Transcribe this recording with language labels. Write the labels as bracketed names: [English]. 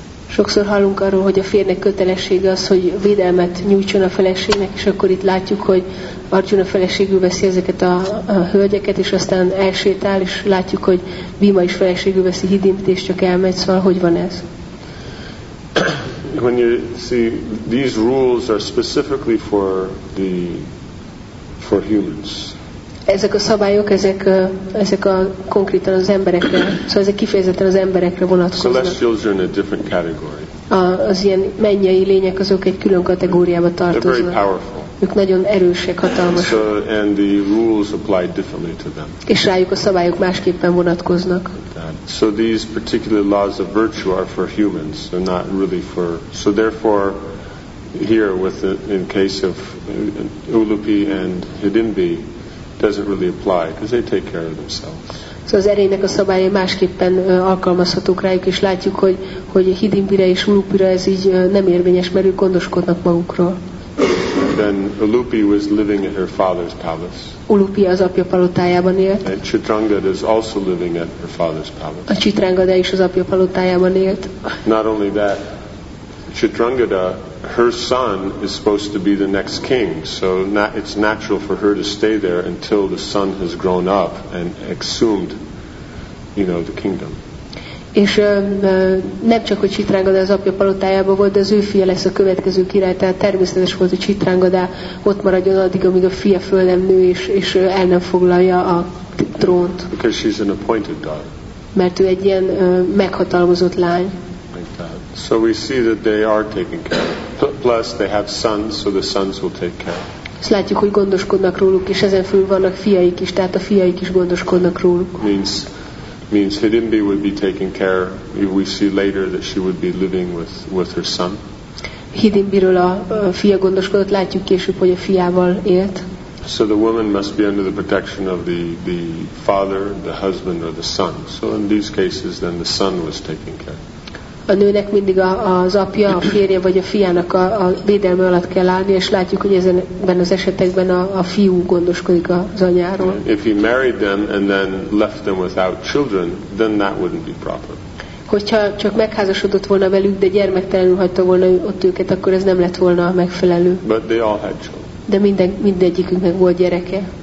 [Hungarian] Sokszor hallunk arról, hogy a férnek kötelessége az, hogy védelmet nyújtson a feleségnek, és akkor itt látjuk, hogy Arjuna feleségül veszi ezeket a hölgyeket, és aztán elsétál, és látjuk, hogy Bhima is feleségül veszi Hidimbit, és csak elmegy. Szóval hogy van ez? [English] When you see, these rules are specifically for humans. [Hungarian] Ezek a szabályok, ezek a konkrétan az emberekre, szóval ezek kifejezetten az emberekre vonatkoznak. [English] Celestials are in a different category. [Hungarian] Az ilyen mennyei lények, azok egy külön kategóriába tartoznak. [English] They're very powerful. [Hungarian] Ők nagyon erősek, hatalmasak. [English] So, and the rules apply differently to them. [Hungarian] És rájuk a szabályok másképpen vonatkoznak. [English] So these particular laws of virtue are for humans, they're not really for. So therefore, here with in case of Ulupi and Hidimbi, doesn't really apply because they take care of themselves. [Hungarian] So az erejnek a szabályai másképpen alkalmazhatók rájuk, és látjuk, hogy Hidimbire és Ulupira ez így nem érvényes, mert ők gondoskodnak magukról. [English] then Ulupi was living in her father's palace. [Hungarian] Ulupi az apja palotájában élt. [English] And Chitrangada is also living at her father's palace. [Hungarian] A Chitrangada is az apja palotájában élt. [English] Not only that, Chitrangada, her son is supposed to be the next king, so it's natural for her to stay there until the son has grown up and exhumed, you know, the kingdom. [Hungarian] És nem csak, hogy Chitrangada az apja palotájában volt, de az ő fia lesz a következő király, tehát természetes volt, hogy Chitrangada ott maradjon addig, amíg a fia föl nem nő, és el nem foglalja a trónt. [English] Because she's an appointed daughter. [Hungarian] Mert ő egy ilyen meghatalmazott lány. [English] So we see that they are taken care of. Plus they have sons, so the sons will take care. [Hungarian] Ezt látjuk, hogy gondoskodnak róluk, és ezen fölül vannak fiaik is, tehát a fiaik is gondoskodnak róluk. [English] Means Hidimbi would be taken care. We see later that she would be living with her son. [Hungarian] Hidimbiről a fia gondoskodott, látjuk később, hogy a fiával élt. [English] So the woman must be under the protection of the father, the husband, or the son. So in these cases, then the son was taken care. [Hungarian] A nőnek mindig az apja, a férje vagy a fiának a védelme alatt kell állni, és látjuk, hogy ezenben az esetekben a fiú gondoskodik az anyáról. [English] If he married them and then left them without children, then that wouldn't be proper. [Hungarian] Hogyha csak megházasodott volna velük, de gyermektelenül hagyta volna ott őket, akkor ez nem lett volna megfelelő. [English] But they all had children. De mindegyiküknek volt gyereke.